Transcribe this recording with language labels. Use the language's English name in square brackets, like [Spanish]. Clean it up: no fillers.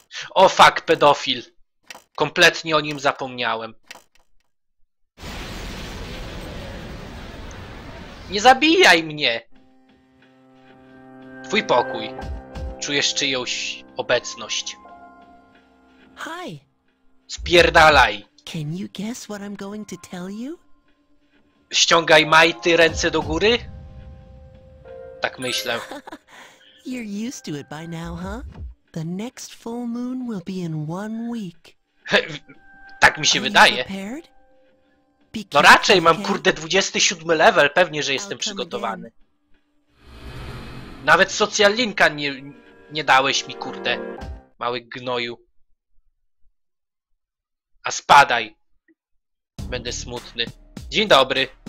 [Polish] O fuck, pedofil. Kompletnie o nim zapomniałem. Nie zabijaj mnie! Twój pokój. Czujesz czyjąś obecność. [English] Hi. [Polish] Spierdalaj! [English] Can you guess what I'm going to tell you? [Polish] Ściągaj majty, ręce do góry? Tak myślę. [English] You're used to it by now, huh? The next full moon will be in 1 week. [Polish] Tak mi się wydaje. No raczej mam, kurde, 27 level, pewnie, że jestem przygotowany. Nawet social linka nie dałeś mi, kurde, mały gnoju. A spadaj. Będę smutny. Dzień dobry.